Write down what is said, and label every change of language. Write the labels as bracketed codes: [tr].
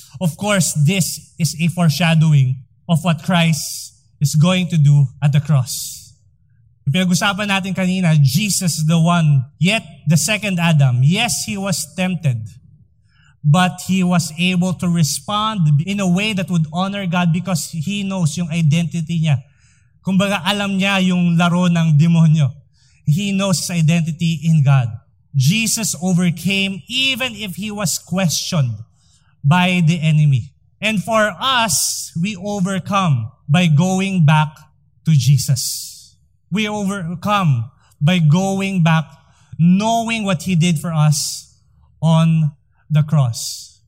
[en] Of course, this is a foreshadowing of what Christ is going to do at the cross. [tl] Pinag-usapan natin kanina, [en] Jesus is the one, yet the second Adam. Yes, he was tempted. But he was able to respond in a way that would honor God because he knows [tl] yung identity niya. Kumbaga, alam niya yung laro ng demonyo. [en] He knows his identity in God. Jesus overcame even if he was questioned by the enemy. And for us, we overcome by going back to Jesus. We overcome by going back, knowing what he did for us on the cross.